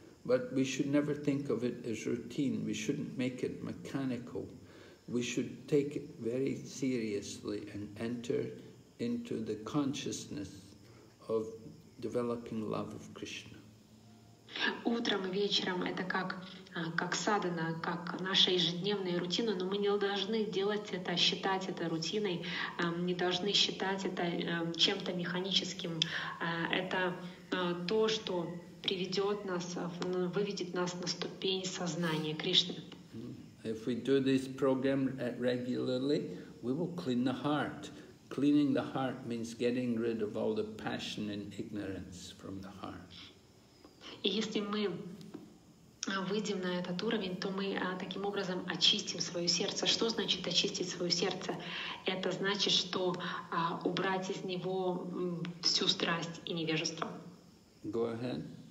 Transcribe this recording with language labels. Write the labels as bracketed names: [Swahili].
[English] But we should never think of it as routine, we shouldn't make it mechanical. We should take it very seriously and enter into the consciousness of developing love of Krishna. [Russian] Утром и вечером это как садана, как наша ежедневная рутина, но мы не должны делать это, считать это рутиной, не должны считать это чем-то механическим. Это то, что приведет нас, выведет нас на ступень сознания Кришны. [English] If we do this program regularly, we will clean the heart. Cleaning the heart means getting rid of all the passion and ignorance from the heart. [Russian] И если мы выйдем на этот уровень, то мы таким образом очистим свое сердце. Что значит очистить свое сердце? Это значит, что убрать из него всю страсть и невежество. [English] Go ahead.